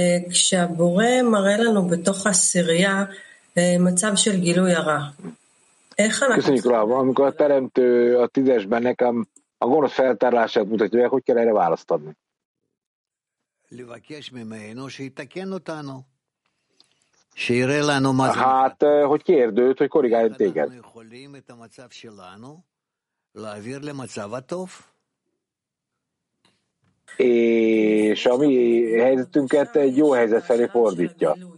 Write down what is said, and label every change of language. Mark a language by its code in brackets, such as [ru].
[he] כשהבורא מראה לנו בתוך הסירייה מצב של גילוי הרע. איך אנחנו... [hu] Köszönjük רב. Amikor a teremtő a tízesben nekem a gonosz feltárlását mutatja, hogy kell erre választ adni? [he] לבקש ממנו שיתקן אותנו. שיראה לנו מה זה... [hu] Hát, hogy kérd őt, hogy korrigáljon téged. [he] אנחנו יכולים את המצב שלנו להעביר למצב הטוב. [hu] És a mi helyzetünket egy jó helyzet felé fordítja.